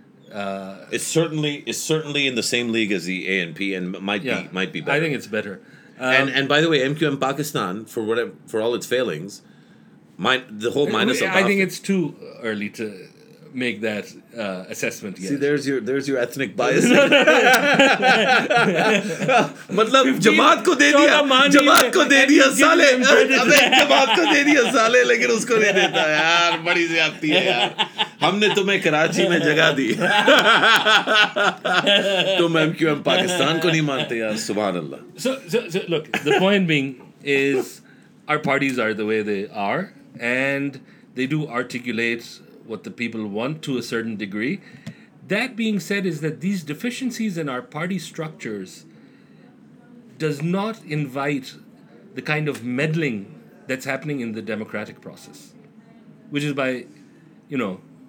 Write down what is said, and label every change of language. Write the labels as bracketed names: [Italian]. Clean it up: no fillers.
[English] It's certainly in the same league as the ANP and might be better. I think it's better. And by the way, MQM Pakistan, for all its failings, I think it's too early to make that assessment yet. See, there's your ethnic bias. [Urdu] مطلب جماعت کو دے دیا، جماعت کو دے دیا سالے، ابے جماعت کو دے دیا سالے، لیکن اس کو نہیں دیتا یار، بڑی زیادتی ہے یار۔ ہم نے تمہیں کراچی میں جگہ دی، تم ایم کیو ایم پاکستان کو نہیں مانتے یار، سبحان اللہ۔ [English] So look, the point being is our parties are the way they are and they do articulate what the people want to a certain degree. That being said, is that these deficiencies in our party structures does not invite the kind of meddling that's happening in the democratic process, which is by, you know,